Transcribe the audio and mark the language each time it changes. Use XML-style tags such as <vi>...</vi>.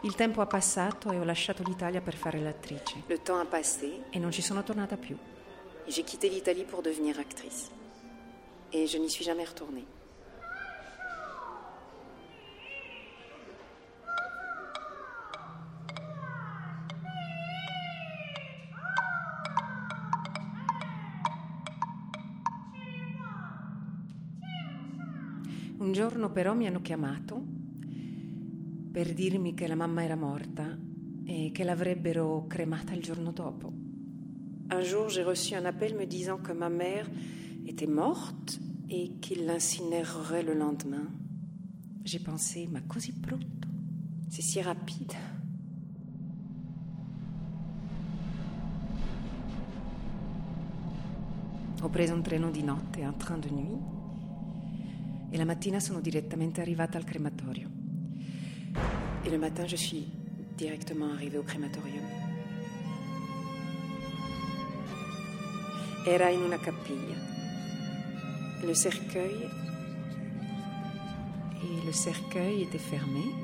<it>Il tempo ha passato e ho lasciato l'Italia per fare l'attrice.</it> <fr>Le temps a passé.</fr> <it>E non ci sono tornata più.</it> <fr>Et j'ai quitté l'Italie pour devenir actrice. Et je n'y suis jamais retournée.</fr> <it>Un giorno però mi hanno chiamato per dirmi che la mamma era morta e che l'avrebbero cremata il giorno dopo.</it> <fr>Un jour j'ai reçu un appel me disant que ma mère était morte et qu'ils l'incinéreraient le lendemain. J'ai pensé,</fr> <it>ma così pronto,</it> <fr>c'est si rapide.</fr> <it>Ho preso un treno di notte,</it> <fr>un train de nuit. Et</fr> <it>la mattina sono direttamente arrivata al crematorio.</it> <fr>Et le matin, je suis directement arrivée au crématorium.</fr> <it>Era in una cappella.</it> <fr>Le cercueil était fermé.</fr>